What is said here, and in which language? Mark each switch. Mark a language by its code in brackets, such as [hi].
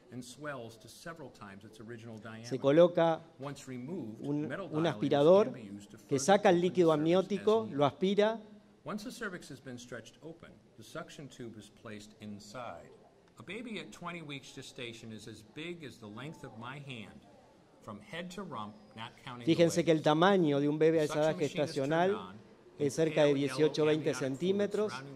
[en] And swells to several times its original diameter. [es] Se coloca un aspirador que saca el líquido amniótico, lo aspira. [en] Once the cervix has been stretched open, the suction tube is placed inside. A baby at 20 weeks gestation is as big as the length of my hand, from head to rump, not counting. [es] Fíjense que el tamaño de un bebé a esa edad gestacional es cerca de 18 o 20 centímetros.